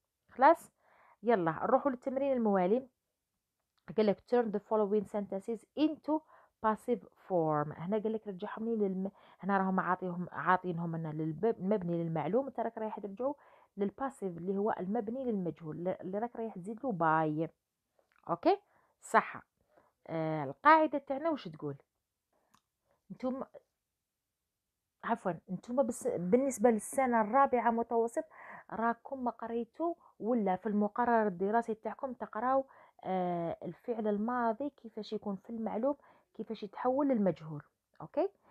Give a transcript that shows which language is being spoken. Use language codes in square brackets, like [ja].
[ar] خلاص يلا نروحوا للتمرين الموالي. قال لك [en] turn the following sentences into passive form. [ar] هنا قال لك رجعهم لي هنا راهم عاطينهم لنا المبني للمعلوم، انت راك رايح ترجعوا للباسيف اللي هو المبني للمجهول اللي راك رايح تزيد له باي اوكي. صح القاعده تاعنا واش تقول انتم عفوا انتم بالنسبه للسنه الرابعه متوسط راكم ما قريتو ولا في المقرر الدراسي تاعكم تقراو الفعل الماضي كيفاش يكون في المعلوم كيفاش يتحول للمجهول اوكي.